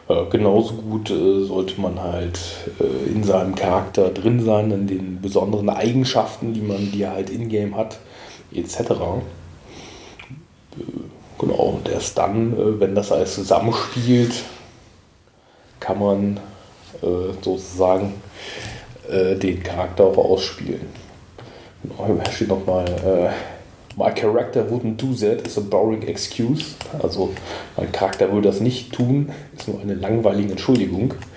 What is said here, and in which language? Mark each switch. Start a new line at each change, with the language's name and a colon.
German: Genauso gut sollte man halt in seinem Charakter drin sein, in den besonderen Eigenschaften, die er halt in-game hat, etc. Genau, und erst dann, wenn das alles zusammenspielt, kann man sozusagen den Charakter auch ausspielen. Hier steht nochmal,
English: my character wouldn't do that, it's a boring excuse.
German: Also, mein Charakter würde das nicht tun, ist nur eine langweilige Entschuldigung.